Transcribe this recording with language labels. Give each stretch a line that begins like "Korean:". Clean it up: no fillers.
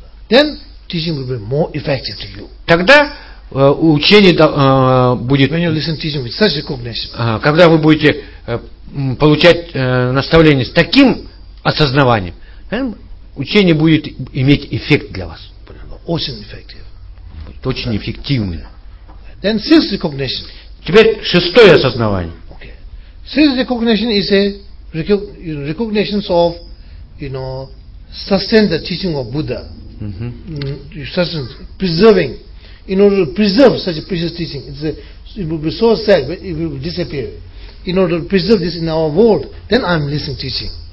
English: Then teaching will be more effective to you.
Russian: Тогда учение будет.
English: When you listen to teaching with such recognition.
Russian: Когда вы будете получать наставление с таким осознаванием, учение будет иметь эффект для вас. Очень
English: effective.
Russian: Будет очень эффективным.
English: Then sixth recognition.
Russian: Теперь шестое осознавание.
English: Sixth recognition is a recognition of, you know, sustain the teaching of Buddha. Preserving, in order to preserve such a precious teaching, it will be so sad, but it will disappear. In order to preserve this in our world, then I'm listening teaching.